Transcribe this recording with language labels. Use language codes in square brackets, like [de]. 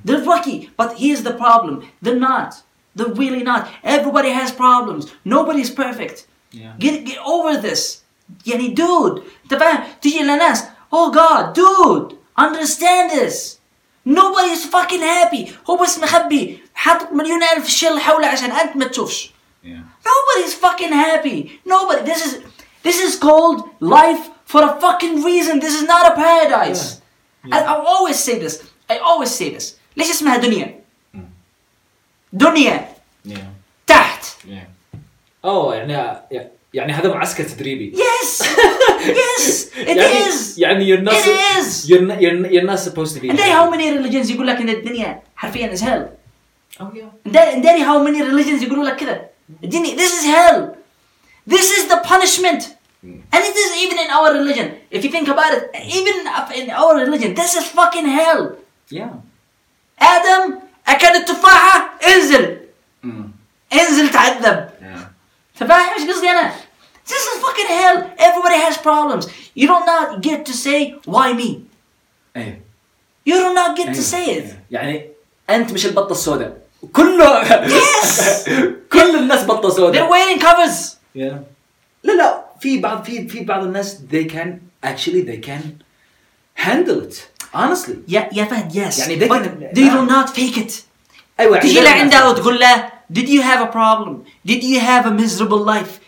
[en] They're lucky. But here's the problem. They're not. They're really not. Everybody has problems. Nobody's perfect. Yeah. Get over this. يعني dude. [ar] تفهم؟ تجي للناس. [en] Oh God, dude. Understand this. Nobody is fucking happy. [ar] هو بس مخبي حاط مليون ألف شيل حوله عشان أنت ما تشوفش. [en] Yeah. Nobody is fucking happy. Nobody. This is called life for a fucking reason. This is not a paradise. Yeah. Yeah. I always say this. [ar] ليش اسمها دنيا؟ دنيا. [en] Yeah. [ar] تحت. [en] Yeah. [ar] Oh, يعني هذا معسكر تدريبي. [en] Yes. yes, it [ar] يعني, [en] is. يعني you're not. It is. You're not supposed to be. And then how many religions [ar] يقول لك إن الدنيا حرفيا [en] is hell. Oh yeah. And then how many religions [ar] يقولوا لك كذا الدنيا [en] this is hell. This is the punishment. And it is even in our religion. If you think about it, even in our religion, this is fucking hell. Yeah. [ar] Adam أكل التفاحة انزل. انزل تعذب. تفاهم إيش قصدي أنا؟ [en] This is fucking hell. Everybody has problems. You do not get to say why me. [ar] أيه. [en] You do not get أيه. to say it. [ar] يعني أنت مش البطة السوداء. كله. [en] Yes. [ar] كل الناس بطة سوداء. [en] They're wearing covers. [ar] لا لا في بعض في في بعض الناس [en] they can actually they can handle it honestly. [ar] يا فهد yes. [en] يعني they can, they will not fake it. [ar] أيوة. تجي لعنده وتقول له [en] did you have a problem? Did you have a miserable life?